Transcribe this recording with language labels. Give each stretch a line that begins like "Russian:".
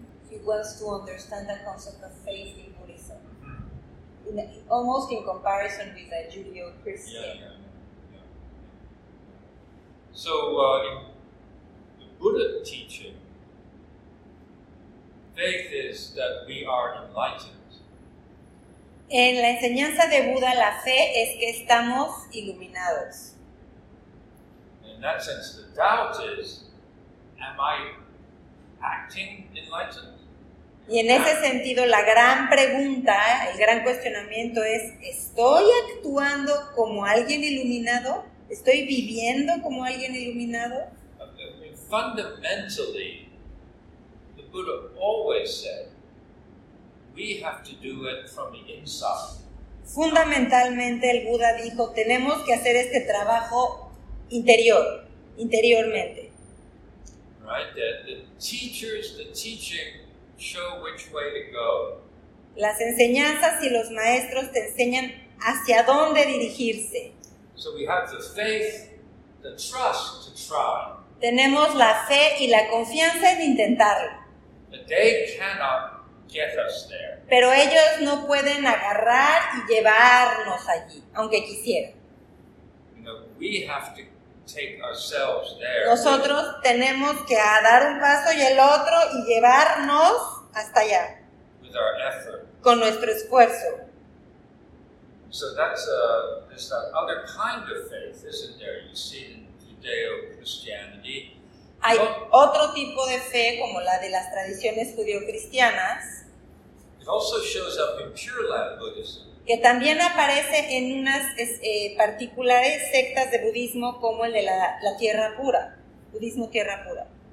English: He wants to understand the concept of faith in Buddhism, almost in comparison with a Judeo-Christian. So, the Buddha teaching, faith is that we are enlightened.
Spanish: En la enseñanza de Buda, la fe es que estamos iluminados.
English: In that sense, the doubt is, am I acting enlightened?
Spanish: Y en ese sentido, la gran pregunta, el gran cuestionamiento es, ¿estoy actuando como alguien iluminado? ¿Estoy viviendo como alguien iluminado?
English: Fundamentally, Buddha always said, we have to do it from the inside.
Spanish: Fundamentalmente, el Buda dijo, tenemos que hacer este trabajo interiormente.
English: Right, the teachers, the teaching show which way to go.
Spanish: Las enseñanzas y los maestros te enseñan hacia dónde dirigirse.
English: So we have the faith, the trust to try.
Spanish: Tenemos la fe y la confianza en intentarlo.
English: But they cannot get us there.
Spanish: Pero ellos no pueden agarrar y llevarnos allí, aunque quisieran.
English: You know, we have to take ourselves there.
Spanish: Nosotros tenemos que dar un paso y el otro y llevarnos hasta allá.
English: With our effort.
Spanish: Con nuestro esfuerzo.
English: So that's there's that other kind of faith, isn't there? You see in Judeo-Christianity.
Spanish: Hay otro tipo de fe, como la de las tradiciones judeocristianas.
English: also shows up in Pure Land Buddhism.
Spanish: Que también aparece en unas particulares sectas de budismo como el de la tierra pura, budismo tierra pura.